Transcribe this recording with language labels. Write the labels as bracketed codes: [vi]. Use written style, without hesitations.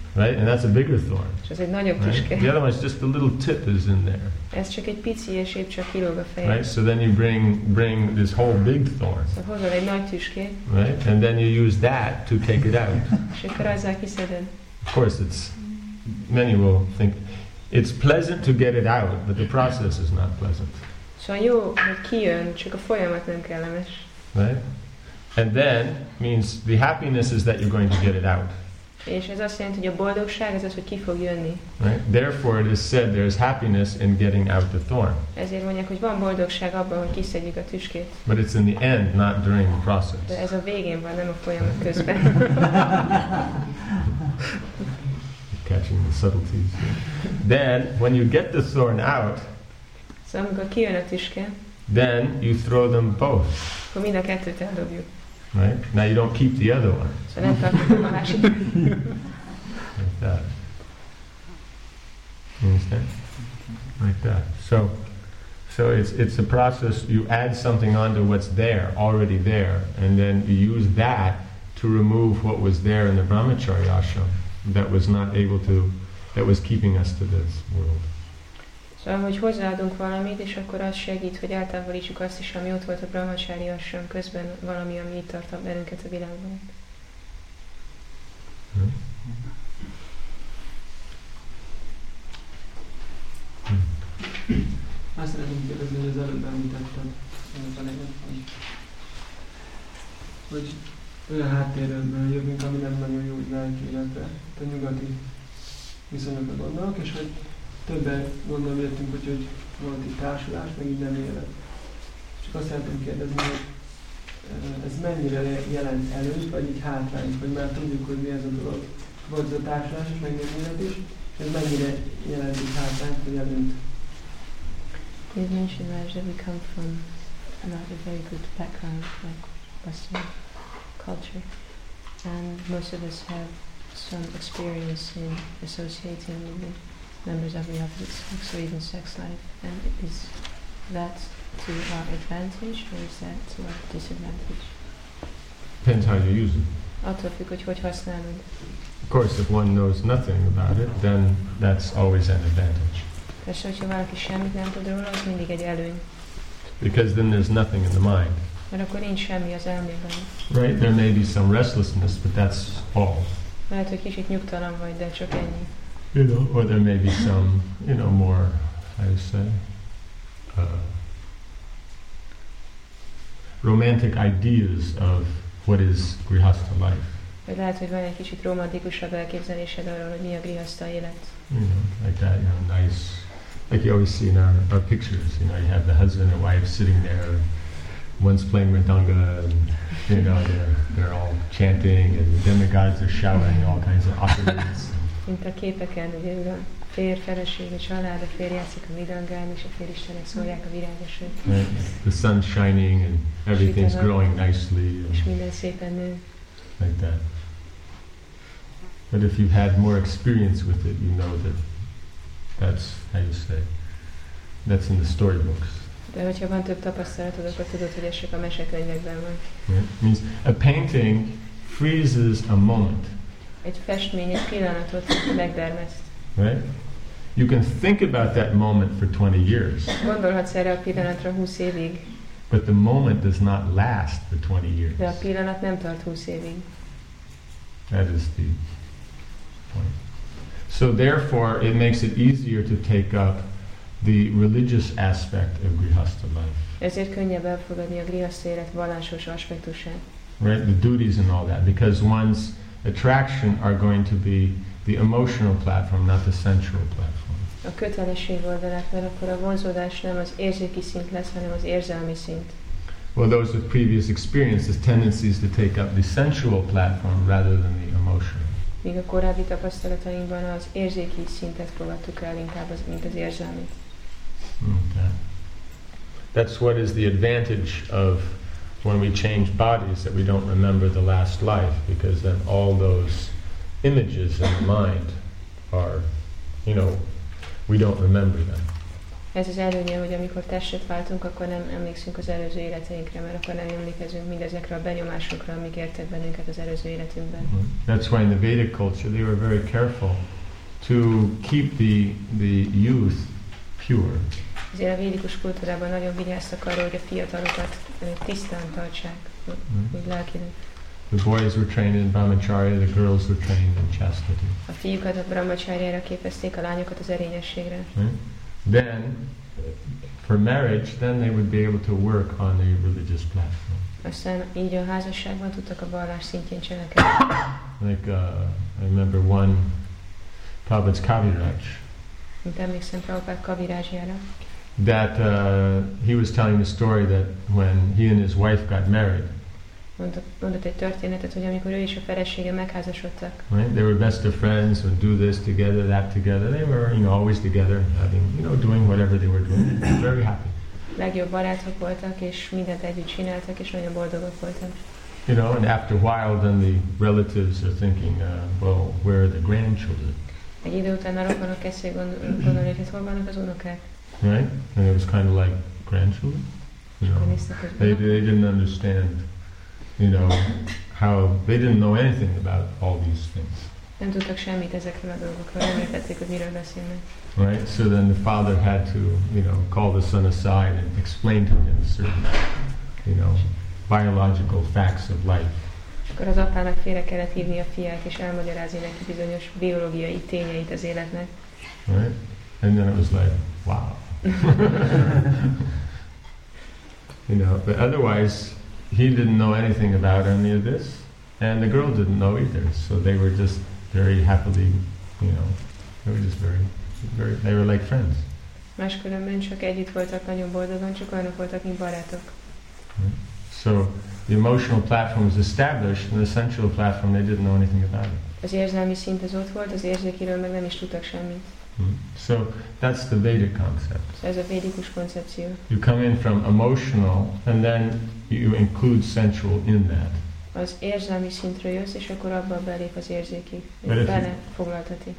[en] Right? And that's a bigger thorn. [hu] És ez egy nagyobb tüske. [en] The other one is just a little tip is in there. [hu] Ez csak egy pici és épp csak kilóg a fején. [en] Right? So then you bring this whole big thorn. [hu] Szóval hozol egy nagy tüskét. [en] Right? And then you use that to take it out. [hu] És akkor azzal kiszeded. [en] Of course, it's many will think it's pleasant to get it out, but the process is not pleasant. [hu] Szóval jó, hogy kijön, csak a folyamat nem kellemes. [en] Right? And then means the happiness is that you're going to get it out. [hu] És ez azt jelenti, hogy a boldogság az, hogy ki fog jönni. [en] Right? Therefore, it is said there is happiness in getting out the thorn. [hu] Ezért mondják, hogy van boldogság abban, hogy kiszedjük a tüskét. [en] But it's in the end, not during the process. [hu] De ez a végén van, nem a folyamat közben. [en] Catching the subtleties. Then, when you get the thorn out, [hu] szóval, amikor kijön a tüske, [en] then you throw them both. [hu] Akkor mind a kettőt eldobjuk. [en] Right? Now you don't keep the other one. [hu] So nem tartottam a másik. [en] Like that. You understand? Like that. So it's a process, you add something onto what's there, already there, and then you use that to remove what was there in the brahmacharya ashram that was not able to, that was keeping us to this world. [hu] Szóval, hogy hozzáadunk valamit, és akkor az segít, hogy eltávolítsuk azt is, ami ott volt a brahmacharya ashram közben, valami, ami itt tart bennünket a világban. Azt szeretném kérdezni, hogy az előbb említetted, hogy olyan háttérről jövünk, ami nem nagyon jó lelki életre, a nyugati viszonyokra gondolok, és hogy többen gondolom értünk, hogy volt itt társulás, meg így nem élet. Csak azt szeretném kérdezni, hogy ez mennyire jelent előnyt, vagy így hátrányt, hogy már tudjuk, hogy mi ez a dolog. Volt ez a társulás, meg nem élet is, és ez mennyire jelent így hátrányt, vagy előnyt. [en] You mentioned that we come from not a very good background, like Western culture, and most of us have some experience in associating with it. Members of the opposite sex, or even sex life, and is that to our advantage or is that to our disadvantage? Depends how you use it. [hu] Attól függ, hogy használod. [en] course, if one knows nothing about it, then that's always an advantage. Because then there's nothing in the mind. Right, there may be some restlessness, but that's all. [hu] Lehet, hogy kicsit nyugtalan vagy, de csak ennyi. [en] You know, or there may be some, you know, more, how you say, romantic ideas of what is grihastha life. [hu] Lehet, hogy van egy kicsit romantikusabb elképzelésed arról, hogy mi a grihastha élet. [en] You know, like that, you know, nice, like you always see in our pictures, you know, you have the husband and wife sitting there, and one's playing mridanga, and you know, they're all chanting, and the demigods are shouting all kinds of offerings. [hu] Mint a képeken, ugye, a fér, feleség, a család, a fér játszik a mridangán, és a féristenek szólják a virágosok. [en] The sun's shining, and everything's growing nicely. [hu] És minden szépen nő. [en] Like that. But if you've had more experience with it, you know that that's how you say. That's in the storybooks. [hu] De hogyha van több tapasztalatod, akkor tudod, hogy ez csak a mesekönyvekben van. [en] Yeah. Means a painting freezes a moment. [hu] Egy festmény egy pillanatot megdermeszt. [en] Right? You can think about that moment for 20 years. [hu] Gondolhatsz erre a pillanatra 20 évig. [en] But the moment does not last for 20 years. [hu] De a pillanat nem tart 20 évig. [en] That is the point. So therefore, it makes it easier to take up the religious aspect of grihastha life. [hu] Ezért könnyebb elfogadni a grihastha élet vallásos aspektusát. [en] Right, the duties and all that, because one's attraction are going to be the emotional platform, not the sensual platform. [hu] A kötelesség oldalát, mert akkor a vonzódás nem az érzéki szint lesz, hanem az érzelmi szint. [en] Well, those with previous experiences, tendencies to take up the sensual platform rather than the emotional. [hu] Míg a korábbi tapasztalatainkban az érzéki szintet fogadtuk el inkább, mint az érzelmét. [en] Okay. That's what is the advantage of when we change bodies, that we don't remember the last life, because then all those images in the mind are, you know, we don't remember them. [hu] Ez az előnye, hogy amikor testet váltunk, akkor nem emlékszünk az előző életeinkre, mert akkor nem emlékezünk mindezekre a benyomásokra, amik értek bennünket az előző életünkben. Mm-hmm. [en] That's why in the Vedic culture they were very careful to keep the youth pure. [hu] Ezért a védikus kultúrában nagyon vigyáztak arra, hogy a fiatalokat tisztán tartsák, úgy lelkileg. [en] The boys were trained in brahmacharya, the girls were trained in chastity. [hu] A fiúkat a brahmacharyára képezték, a lányokat az erényességre. [en] Then, for marriage, then they would be able to work on a religious platform. [hu] Aztán így a házasságban tudtak a vallás szintjén cselekedni. [en] Like, I remember one, Prabhupada's Kaviraj. [hu] Mint emlékszem Prabhupada Kavirajjára. [en] That he was telling the story that when he and his wife got married, [hu] mondott egy történetet, hogy amikor ő és a felesége megházasodtak. [en] Right? They were best of friends, would do this together, that together. They were, you know, always together, having, you know, doing whatever they were doing. Very happy. [hu] Legjobb barátok voltak, és mindent együtt csináltak, és nagyon boldogok voltak. [en] You know, and after a while, then the relatives are thinking, well, where are the grandchildren? [hu] Egy idő után a rokonok kezdték gondolni, hogy hol vannak az unokák. [en] Right? And it was kind of like grandchildren? They didn't understand. You know, how they didn't know anything about all these things. [hu] Nem tudtak semmit ezekről a dolgokról, nem értették, hogy miről beszélnek. [en] Right, so then the father had to, you know, call the son aside and explain to him certain, you know, biological facts of life. [hu] Akkor az apának félre kellett hívni a fiát, és elmagyarázni neki bizonyos biológiai tényeit az életnek. [en] Right, and then it was like, wow. You know, but otherwise, he didn't know anything about any of this, and the girl didn't know either. So they were just very happily, you know, they were just very, very. They were like friends. [hu] Máskülönben csak együtt voltak, nagyon boldogan, csak olyanok voltak, mint barátok. [en] So the emotional platform was established, and the sensual platform, they didn't know anything about it. [hu] Az érzelmi szint az ott volt, az érzékiről meg nem is tudtak semmit. [en] So that's the Vedic concept. [hu] Ez a védikus koncepció. [en] You come in from emotional, and then you include sensual in that. [hu] Az érzelmi szintről jössz, és akkor abba belép az érzéki, bele foglaltatik.